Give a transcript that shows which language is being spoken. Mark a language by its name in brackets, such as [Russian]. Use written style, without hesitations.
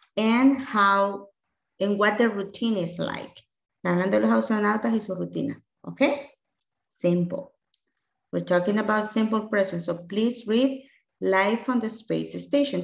[English] And how, and what the routine is like. [Spanish] Están hablando de los astronautas y su rutina. [English] Okay? Simple. We're talking about simple present. So please read Life on the Space Station.